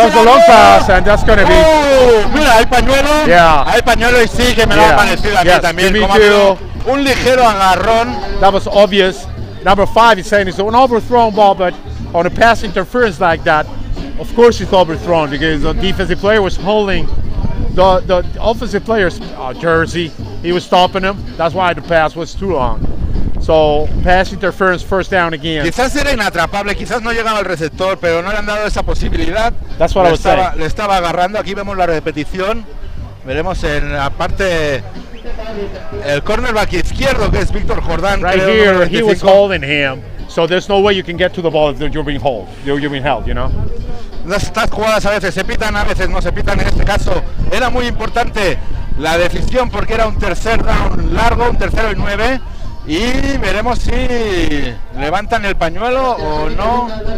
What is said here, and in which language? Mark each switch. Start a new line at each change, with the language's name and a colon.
English: Comes a long pass and that's going to be...
Spanish: Mira, hay pañuelo.
English: Yeah.
Spanish: Hay pañuelo y sí que me lo ha parecido a mí también.
English: Me too.
Spanish: Un ligero agarrón.
English: That was obvious. Number 5 is saying it's an overthrown ball, but on a pass interference like that, of course it's overthrown because the defensive player was holding the offensive player's jersey. He was stopping him. That's why the pass was too long. So, pass interference, first down again.
Spanish: Quizás era inatrapable, quizás no llegaba al receptor, pero no le han dado esa posibilidad.
English: That's what
Spanish: le
English: I was
Spanish: estaba,
English: saying.
Spanish: Le estaba agarrando. Aquí vemos la repetición. Veremos en la parte, el cornerback izquierdo, que es Víctor Jordán.
English: Right here, he was holding him. So there's no way you can get to the ball if you're being held. You're being held, you know?
Spanish: Estas jugadas a veces se pitan, a veces no se pitan. En este caso, era muy importante la decisión porque era un tercer down largo, un tercero y 9. Y veremos si levantan el pañuelo o no.